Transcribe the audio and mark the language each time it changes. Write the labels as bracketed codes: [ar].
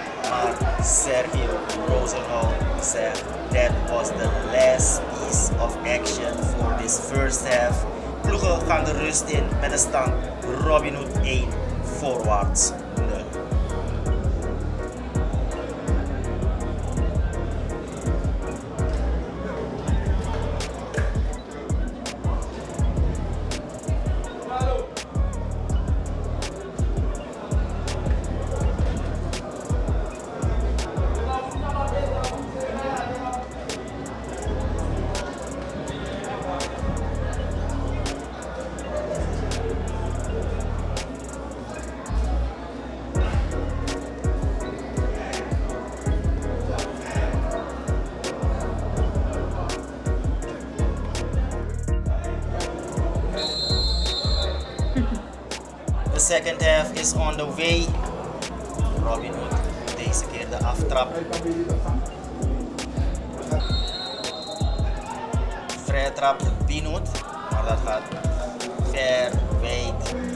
[nl] Maar Servio Rosenhall zegt, [en] that was the last piece of action for this first half. [nl] Ploegen gaan de rust in met de stand Robinhood 1, Voorwaarts 0. [en] Second half is on the way. [nl] Robinhood deze keer de aftrap. Vrije trap de Binhood, maar dat gaat ver wijd.